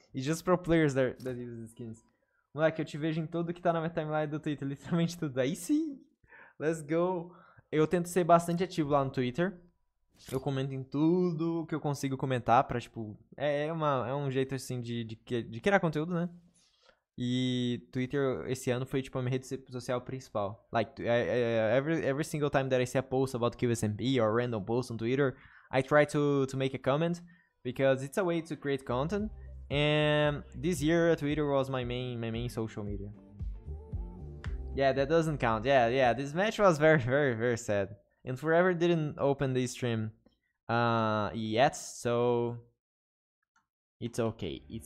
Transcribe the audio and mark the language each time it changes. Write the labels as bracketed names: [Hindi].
[English] It's just pro players that use these skins. [Portuguese] Moleque, eu te vejo em tudo que tá na minha timeline do Twitter. Literalmente tudo. Aí sim. [English] Let's go. [Portuguese] Eu tento ser bastante ativo lá no Twitter. Eu comento em tudo que eu consigo comentar pra, tipo... É um jeito, assim, de criar conteúdo, né? E Twitter, esse ano, foi, tipo, a minha rede social principal. [English] Like, every single time that I see a post about QSMP or a random post on Twitter, I try to make a comment because it's a way to create content. And this year, Twitter was my main social media. Yeah, that doesn't count. Yeah, this match was very, very, very sad. And Forever didn't open the stream yet, so it's okay.